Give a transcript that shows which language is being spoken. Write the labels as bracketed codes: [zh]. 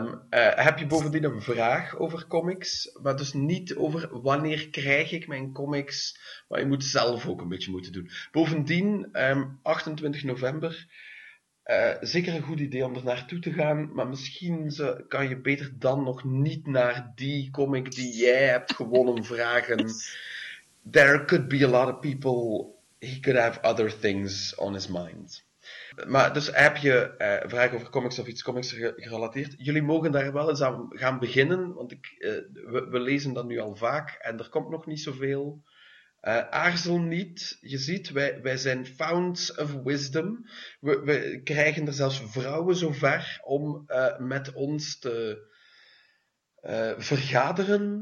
[nl] Heb je bovendien een vraag over comics? Maar dus niet over wanneer krijg ik mijn comics? Maar je moet zelf ook een beetje moeten doen. Bovendien, 28 november, zeker een goed idee om er naartoe te gaan. Maar misschien kan je beter dan nog niet naar die comic die jij hebt gewonnen vragen... [en] There could be a lot of people, he could have other things on his mind. [nl] Maar dus heb je vragen over comics of iets comics gerelateerd? Jullie mogen daar wel eens aan gaan beginnen, want we lezen dat nu al vaak en er komt nog niet zoveel. Aarzel niet, je ziet, wij zijn founts of wisdom. We krijgen er zelfs vrouwen zover om met ons te vergaderen.